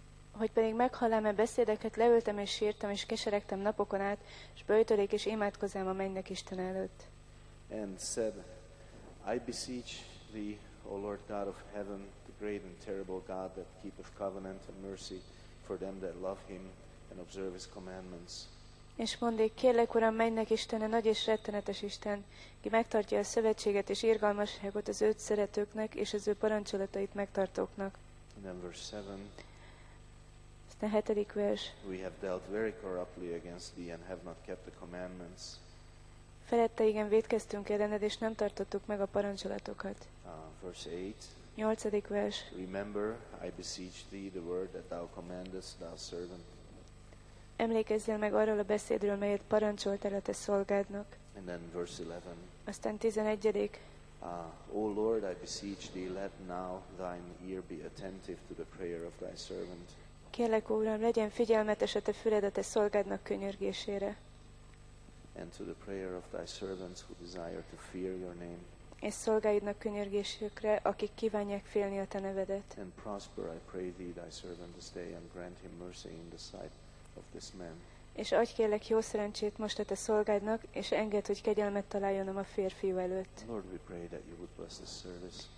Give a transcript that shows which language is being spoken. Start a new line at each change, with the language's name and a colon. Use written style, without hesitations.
Hungarian: Hogy pedig meghallám a beszédeket, leültem és sírtam és keseregtem napokon át, és böjtölék és imádkozám a mennynek Isten előtt.
English: And said, I beseech thee, O Lord God of heaven, the great and terrible God that keepeth covenant and mercy for them that love him and observe his commandments.
Hungarian: És mondék, kérlek, Uram, menj neki, Istene, nagy és rettenetes Isten, ki megtartja a szövetséget és irgalmasságot az őt szeretőknek és az ő parancsolatait megtartóknak.
English: Number 7.
Hungarian: A hetedik vers.
English: We have dealt very corruptly against thee and have not kept the commandments.
Hungarian: Felette igen vétkeztünk ellened, és nem tartottuk meg a parancsolatokat.
English: Verse 8.
Hungarian: Nyolcadik vers.
English: Remember, I beseech thee, the word that thou commandest thy servant.
Hungarian: Emlékezzél meg arról a beszédről, melyet parancsoltál a te szolgádnak.
English: And then verse 11.
Hungarian: Aztán tizenegyedik.
English: O Lord, I beseech thee, let now thine ear be attentive to the prayer of thy servant.
Hungarian: Kérlek, Uram, legyen figyelmetes a te füled a te szolgádnak könyörgésére.
English: And to the prayer of thy servants who desire to fear your name.
Hungarian: És szolgáidnak könyörgésükre, akik kívánják félni a te nevedet.
English: And prosper, I pray thee, thy servant this day, and grant him mercy in the sight of this man.
Hungarian: És adj, kérlek, jó szerencsét most a te szolgádnak, és engedd, hogy kegyelmet találjonom a férfiú előtt.
English: Lord, we pray that you would bless this service.